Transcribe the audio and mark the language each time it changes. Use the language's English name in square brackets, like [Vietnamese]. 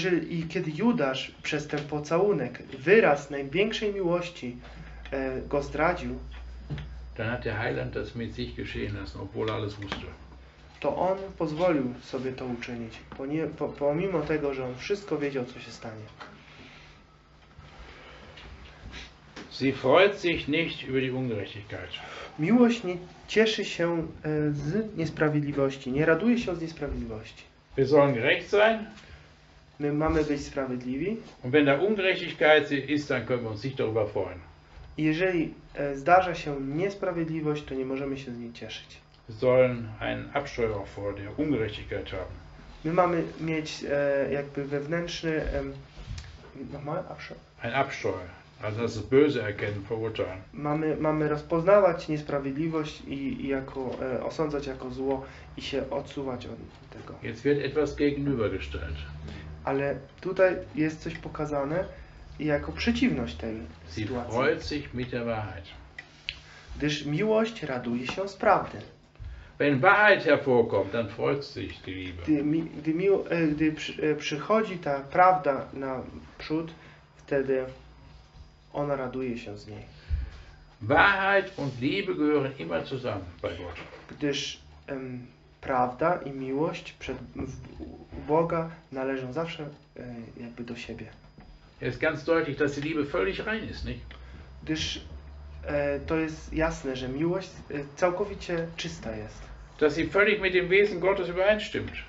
[Polish] I kiedy Judasz przez ten pocałunek wyraz największej miłości go zdradził, [German] dann hat der Heiland das mit sich geschehen lassen, obwohl alles wusste. [Polish] To on pozwolił sobie to uczynić, pomimo tego, że on wszystko wiedział, co się stanie. [German] Sie freut sich nicht über die Ungerechtigkeit. [Polish] Miłość nie cieszy się z niesprawiedliwości, nie raduje się z niesprawiedliwości. [German] Wir sollen gerecht sein. [Polish] My mamy być sprawiedliwi. [German] Und wenn da Ungerechtigkeit ist, dann können wir uns nicht darüber freuen. [Polish] Jeżeli zdarza się niesprawiedliwość, to nie możemy się z niej cieszyć. [German] Wir sollen einen Abscheu vor der Ungerechtigkeit haben. [Polish] My mamy mieć jakby wewnętrzny [German] nochmal ein Abscheu. Also das Böse erkennen, verurteilen. [Polish] Mamy rozpoznawać niesprawiedliwość i jako osądzać jako zło i się odsuwać od tego. [German] Jetzt wird etwas gegenübergestellt. [Polish] Ale tutaj jest coś pokazane jako przeciwność tej [German] Sie [Polish] sytuacji. [German] Freut sich mit der Wahrheit. [Polish] Gdyż miłość raduje się z prawdy. [German] Wenn Wahrheit hervorkommt, dann freut sich die Liebe. [Polish] Gdy przychodzi ta prawda na przód, wtedy ona raduje się z niej. [German] Wahrheit und Liebe gehören immer zusammen bei Gott. [Polish] Gdyż prawda i miłość przed Boga należą zawsze jakby do siebie. Jest [German] ganz deutlich, dass die Liebe völlig rein ist, nicht? [Polish] Gdyż to jest jasne, że miłość całkowicie czysta jest. [German] Dass sie völlig mit dem Wesen Gottes übereinstimmt.